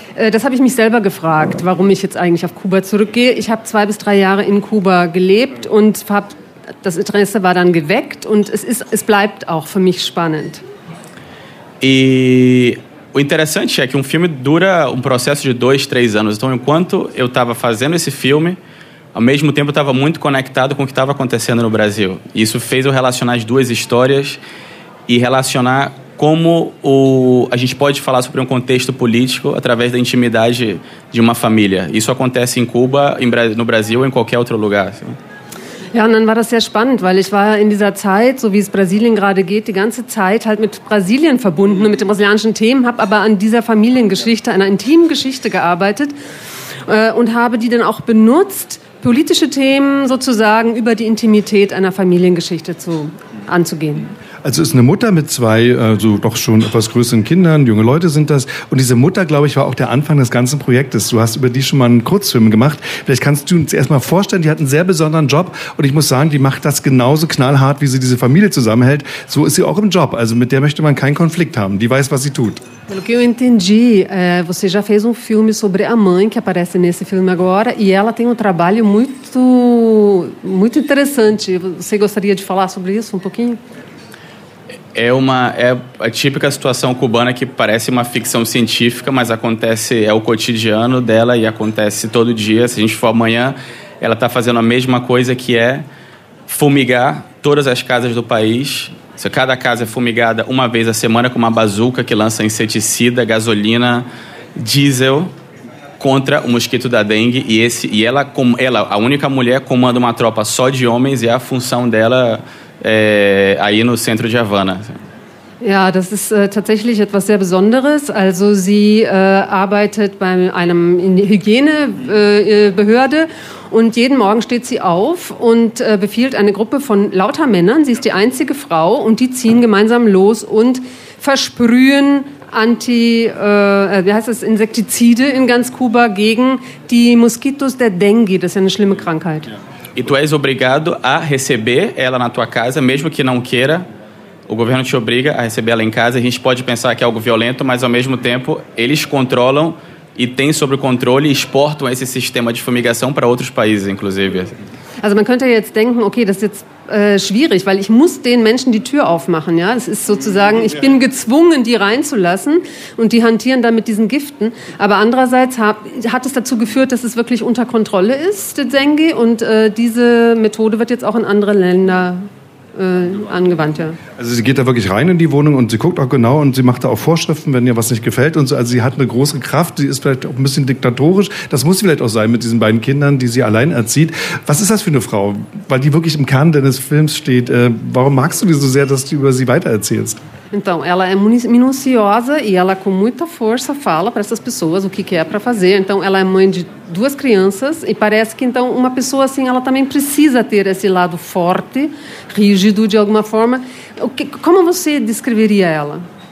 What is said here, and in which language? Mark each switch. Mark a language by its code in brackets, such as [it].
[de] Das habe ich mich selber gefragt, warum ich jetzt eigentlich auf Kuba zurückgehe. Ich habe 2-3 Jahre in Kuba gelebt und habe... Das Interesse war dann geweckt und es bleibt auch für mich spannend. [pt] E o interessante é que filme dura processo de 2-3 anos. Então, enquanto eu estava fazendo esse filme, ao mesmo tempo eu estava muito conectado com o que estava acontecendo no Brasil. Isso fez eu relacionar as duas histórias e relacionar como a gente pode falar sobre contexto político através da intimidade de uma família. Isso acontece em Cuba, no Brasil ou em qualquer outro lugar. [de] Ja, und dann war das sehr spannend, weil ich war in dieser Zeit, so wie es Brasilien gerade geht, die ganze Zeit halt mit Brasilien verbunden und mit den brasilianischen Themen, habe aber an dieser Familiengeschichte, einer intimen Geschichte gearbeitet und habe die dann auch benutzt, politische Themen sozusagen über die Intimität einer Familiengeschichte anzugehen. Also ist eine Mutter mit zwei, also doch schon etwas größeren Kindern, junge Leute sind das. Und diese Mutter, glaube ich, war auch der Anfang des ganzen Projektes. Du hast über die schon mal einen Kurzfilm gemacht. Vielleicht kannst du uns erstmal vorstellen, die hat einen sehr besonderen Job. Und ich muss sagen, die macht das genauso knallhart, wie sie diese Familie zusammenhält. So ist sie auch im Job. Also mit der möchte man keinen Konflikt haben. Die weiß, was sie tut. [pt] Pelo que eu entendi, você já fez filme sobre a mãe que aparece nesse filme agora e ela tem trabalho muito, muito interessante. Você gostaria de falar sobre isso pouquinho? É a típica situação cubana que parece uma ficção científica, mas acontece, é o cotidiano dela e acontece todo dia. Se a gente for amanhã, ela está fazendo a mesma coisa, que é fumigar todas as casas do país. Cada casa é fumigada uma vez a semana com uma bazuca que lança inseticida, gasolina, diesel contra o mosquito da dengue. E ela, a única mulher, comanda uma tropa só de homens, e a função dela... aí no centro de Havana. [de] Ja, das ist tatsächlich etwas sehr Besonderes. Also sie arbeitet bei einem Hygienebehörde und jeden Morgen steht sie auf und befiehlt eine Gruppe von lauter Männern. Sie ist die einzige Frau und die ziehen gemeinsam los und versprühen Insektizide in ganz Kuba gegen die Moskitos der Dengue. Das ist eine schlimme Krankheit. Ja. [pt] E tu és obrigado a receber ela na tua casa, mesmo que não queira. O governo te obriga a receber ela em casa. A gente pode pensar que é algo violento, mas ao mesmo tempo eles controlam e têm sobre controle e exportam esse sistema de fumigação para outros países, inclusive. [de] Also man könnte jetzt denken, okay, das ist jetzt schwierig, weil ich muss den Menschen die Tür aufmachen, ja? Es ist sozusagen, ich bin gezwungen, die reinzulassen und die hantieren dann mit diesen Giften. Aber andererseits hat es dazu geführt, dass es wirklich unter Kontrolle ist, der Dengue, und diese Methode wird jetzt auch in andere Länder angewandt, ja. Also sie geht da wirklich rein in die Wohnung und sie guckt auch genau und sie macht da auch Vorschriften, wenn ihr was nicht gefällt und so. Also sie hat eine große Kraft, sie ist vielleicht auch ein bisschen diktatorisch. Das muss sie vielleicht auch sein mit diesen beiden Kindern, die sie allein erzieht. Was ist das für eine Frau? Weil die wirklich im Kern deines Films steht. Warum magst du die so sehr, dass du über sie weitererzählst? [pt] Então, ela é minuciosa e ela com muita força fala para essas pessoas o que quer para fazer. Então, ela é mãe de duas crianças e parece que então uma pessoa assim, ela também precisa ter esse lado forte, rígido de alguma forma. O que, como você descreveria ela?